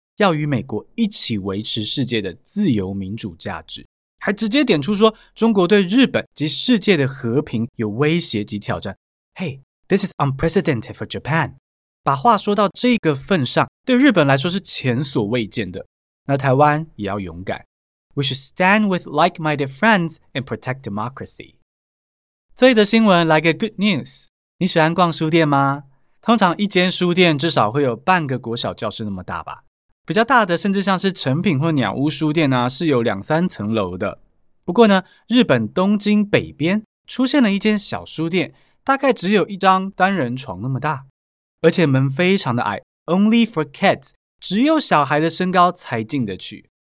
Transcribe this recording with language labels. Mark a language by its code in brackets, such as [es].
[zh] 要与美国一起维持世界的自由民主价值，还直接点出说中国对日本及世界的和平有威胁及挑战。 [en] Hey, this is unprecedented for Japan. [zh] 把话说到这个份上，对日本来说是前所未见的。那台湾也要勇敢。 [en] We should stand with like-minded friends and protect democracy. [zh] 这一则新闻来个 good news。你喜欢逛书店吗？通常一间书店至少会有半个国小教室那么大吧，比较大的甚至像是诚品或鸟屋书店啊，是有两三层楼的。不过呢，日本东京北边出现了一间小书店，大概只有一张单人床那么大，而且门非常的矮， [en] Only for kids， [zh] 只有小孩的身高才进得去。